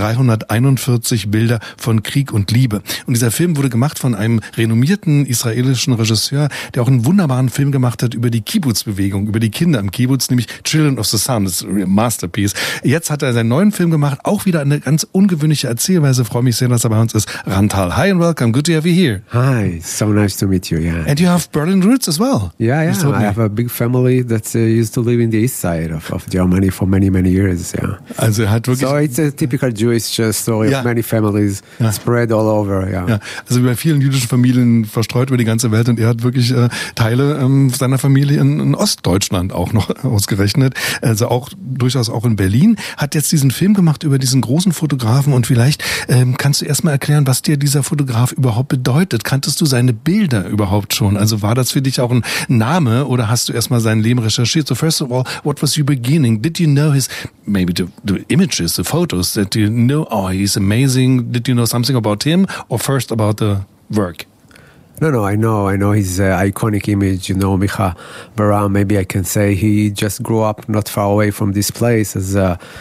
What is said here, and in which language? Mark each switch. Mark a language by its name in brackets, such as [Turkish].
[German] 1341 Bilder von Krieg und Liebe. Und dieser Film wurde gemacht von einem renommierten israelischen Regisseur, der auch einen wunderbaren Film gemacht hat über die Kibbutz-Bewegung, über die Kinder im Kibbutz, nämlich Children of the Sun. Das ist ein Masterpiece. Jetzt hat er seinen neuen Film gemacht. Auch wieder eine ganz ungewöhnliche Erzählweise. Freue mich sehr, dass bei uns ist Rantal. [English] Hi and welcome. Good to have you here. Hi. So nice to meet you. Yeah. And you have Berlin roots as well. Yeah. I have a big family that used to live in the east side of Germany for many, many years. Yeah. [German] Also er hat wirklich. [English] So it's a typical Jewish story of many families spread all over. Yeah. [German] Ja. Also wie bei vielen jüdischen Familien verstreut über die ganze Welt und er hat wirklich Teile seiner Familie in Ostdeutschland auch noch ausgerechnet. Also auch durchaus auch in Berlin. Hat jetzt diesen Film gemacht über diesen großen Fotografen und vielleicht kannst du erstmal erklären, was dir dieser Fotograf überhaupt bedeutet. Kanntest du seine Bilder überhaupt schon? Also war das für dich auch ein Name oder hast du erstmal sein Leben recherchiert? [English] So first of all, what was your beginning? Did you know his, maybe the images, the photos that you know, oh, he's amazing. Did you know something about him or first about the work? No, I know his iconic image, you know, Micha Bar-Am, maybe I can say he just grew up not far away from this place as a